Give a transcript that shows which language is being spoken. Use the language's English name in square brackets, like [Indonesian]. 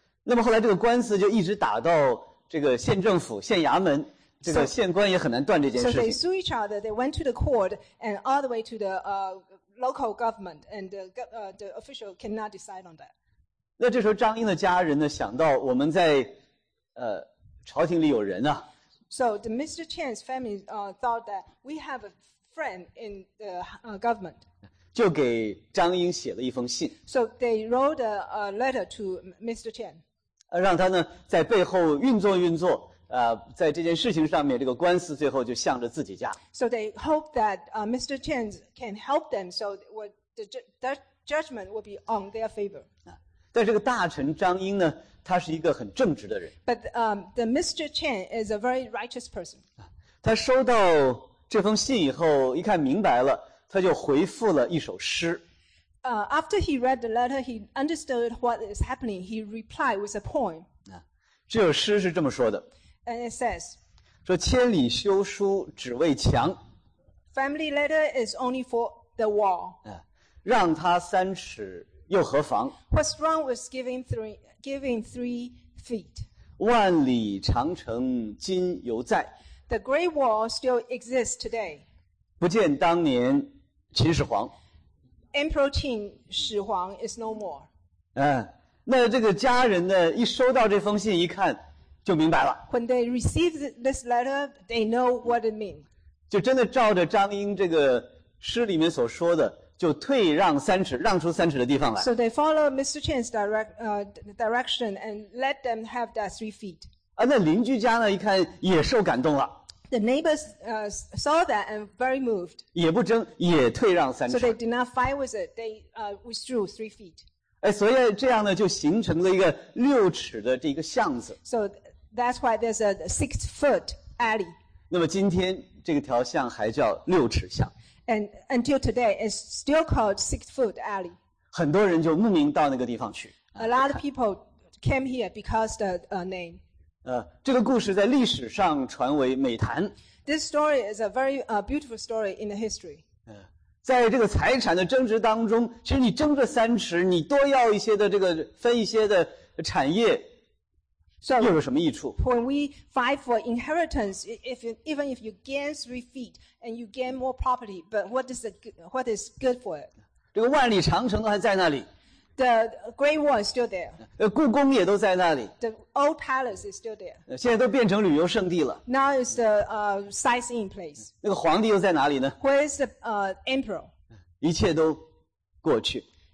[Chinese] 那么后来这个官司就一直打到这个县政府县衙门。这个县官也很难断这件事情。 [English] So they sue each other. They went to the court and all the way to the local government, and the official cannot decide on that. [Chinese] 那这时候张英的家人呢，想到我们在朝廷里有人啊。 [English] So the Mr. Chen's family thought that we have a friend in the government. [Chinese] 就给张英写了一封信。 [English] So they wrote a letter to Mr. Chen. [Chinese] 让他呢在背后运作运作。在这件事情上面，这个官司最后就向着自己家。 [English] So they hope that Mr. Chen can help them, so the judgment will be on their favor. [Chinese] 但这个大臣张英呢，他是一个很正直的人。 [English] But the Mr. Chen is a very righteous person. [Chinese] 他收到这封信以后，一看明白了，他就回复了一首诗。 [English] After he read the letter, he understood what is happening. He replied with a poem. [Chinese] 这首诗是这么说的。 [English] And it says, [Chinese] 说千里修书只为墙 [English] Family letter is only for the wall. [Chinese] 让他三尺又何妨 [English] What's wrong with giving three feet? [Chinese] 万里长城今犹在 [English] The great wall still exists today. [Chinese] 不见当年秦始皇 [English] Emperor Qin, 始皇 is no more. [Chinese] 那这个家人呢，一收到这封信一看就明白了。 [English] When they receive this letter, they know what it means. [Chinese] 就真的照着张英这个诗里面所说的，就退让三尺，让出三尺的地方来。 [English] So they follow Mr. Chen's direction and let them have that 3 feet. [Chinese] 那邻居家呢，一看也受感动了。 [English] The neighbors saw that and very moved. [Chinese] 也不争，也退让三尺。 [English] So they did not fight with it. They withdrew 3 feet. [Chinese] 所以这样呢，就形成了一个六尺的这个巷子。 [English] So that's why there's a 6-foot alley. [Chinese] 那么今天这个条巷还叫六尺巷。 [English] And until today, it's still called 6-foot alley. [Chinese] 很多人就慕名到那个地方去。 [English] A lot of people came here because the name. [Chinese] 这个故事在历史上传为美谈。 [English] This story is a very beautiful story in the history. [Chinese] 在这个财产的争执当中，其实你争着三尺，你多要一些的这个分一些的产业，又有什么益处 [English] ？So when we fight for inheritance, even if you gain 3 feet and you gain more property, but what is good for it? [Chinese] 这个万里长城都还在那里。 [English] The Great Wall is still there. [Chinese] 故宫也都在那里。 [English] The old palace is still there. [Chinese] 现在都变成旅游胜地了。 [English] Now it's the sightseeing place. [Chinese] 那个皇帝又在哪里呢 [English] ？Where is the emperor? [Chinese] 一切都过去。